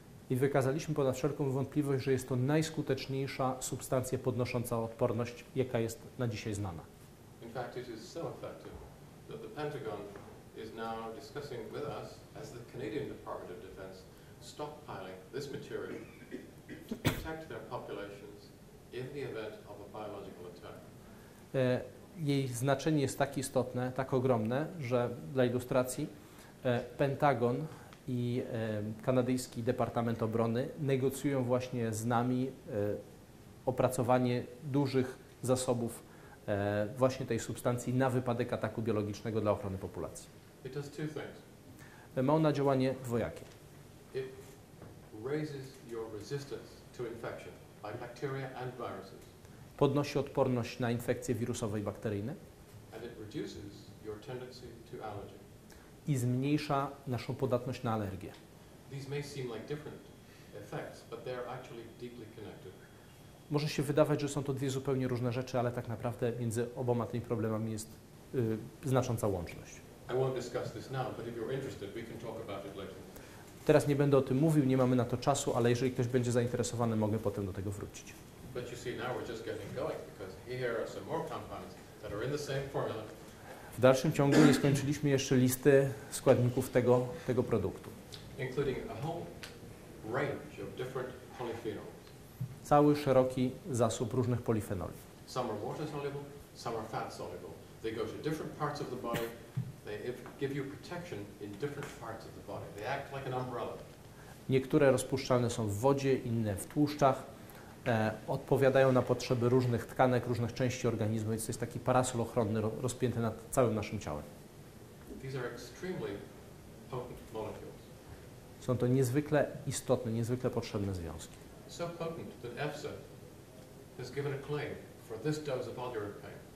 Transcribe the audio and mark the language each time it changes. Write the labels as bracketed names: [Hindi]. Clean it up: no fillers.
[Polish] I wykazaliśmy ponad wszelką wątpliwość, że jest to najskuteczniejsza substancja podnosząca odporność, jaka jest na dzisiaj znana. [English] In fact, it is so effective that the Pentagon is now discussing with us, as the Canadian Department of Defense, stockpiling this material to protect their populations in the event of a biological attack. [Polish] Jej znaczenie jest tak istotne, tak ogromne, że dla ilustracji Pentagon i kanadyjski Departament Obrony negocjują właśnie z nami opracowanie dużych zasobów właśnie tej substancji na wypadek ataku biologicznego dla ochrony populacji. [English] It does two things. [Polish] Ma ona działanie dwojakie. [English] It raises your resistance to infection by bacteria and viruses. [Polish] Podnosi odporność na infekcje wirusowe i bakteryjne. [English] And it reduces your tendency to allergy. [Polish] I zmniejsza naszą podatność na alergię. [English] These may seem like different effects, but they are actually deeply connected. [Polish] Może się wydawać, że są to dwie zupełnie różne rzeczy, ale tak naprawdę między oboma tymi problemami jest znacząca łączność. [English] I won't discuss this now, but if you're interested, we can talk about it later. [Polish] Teraz nie będę o tym mówił, nie mamy na to czasu, ale jeżeli ktoś będzie zainteresowany, mogę potem do tego wrócić. [English] But you see, now we're just getting going, because here are some more compounds that are in the same formula. [Polish] W dalszym ciągu nie skończyliśmy jeszcze listy składników tego produktu. [English] Including a whole range of different polyphenols. [Polish] Cały szeroki zasób różnych polifenoli. [English] Some are water soluble, some are fat soluble. They go to different parts of the body. They give you protection in different parts of the body. They act like an umbrella. [Polish] Niektóre rozpuszczalne są w wodzie, inne w tłuszczach. Odpowiadają na potrzeby różnych tkanek, różnych części organizmu. Jest taki parasol ochronny rozpięty nad całym naszym ciałem. [English] These are extremely potent molecules. [Polish] Są to niezwykle istotne, niezwykle potrzebne związki. [English] So potent that EFSA has given a claim for this dose of aldurate pain.